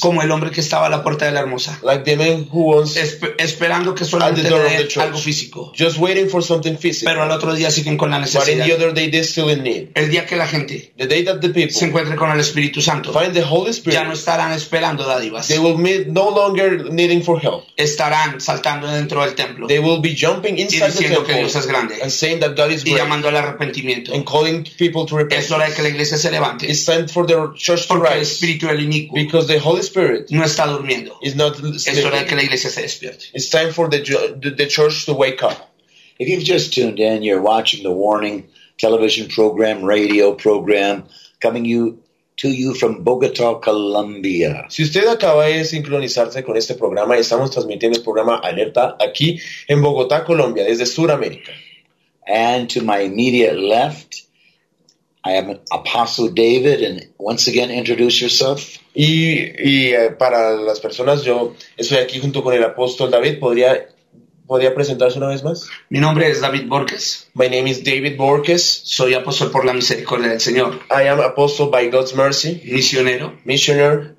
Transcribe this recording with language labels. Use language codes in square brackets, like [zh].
[es] como el hombre que estaba a la puerta de la hermosa, [en] like the man who was [es] esperando que solamente le dé algo físico, [en] just waiting for something physical. [es] Pero al otro día siguen con la necesidad. [en] But in the other day they still in need. [es] El día que la gente, [en] the day that the people [es] se encuentre con el Espíritu Santo, [en] find the Holy Spirit, [es] ya no estarán esperando dádivas. [en] They will be no longer needing for help. [es] Estarán saltando dentro del templo. [en] They will be jumping inside the temple. [es] Y diciendo que Dios es grande. [en] And saying that God is great. [es] Y llamando al arrepentimiento. [en] And calling people to repent. [es] Es hora de que la iglesia se levante. [en] It's time for the church to rise. [es] El espíritu del inicuo. [en] Because the Holy Spirit [es] no está durmiendo. [en] Is not sleeping. [es] Es hora de que la iglesia se despierte. [en] It's time for the church to wake up. If you've just tuned in, you're watching the Warning television program, radio program, coming to you from Bogotá, Colombia. [es] Si usted acaba de sincronizarse con este programa, estamos transmitiendo el programa Alerta aquí en Bogotá, Colombia, desde Sudamérica. [en] And to my immediate left, I am Apostle David, and once again, introduce yourself. [es] Y para las personas, yo estoy aquí junto con el apóstol David. ¿Podría presentarse una vez más? Mi nombre es David Borges. [en] My name is David Borges. [es] Soy apóstol por la misericordia del Señor. [en] I am apostle by God's mercy. [es] Misionero. [en] Missionary.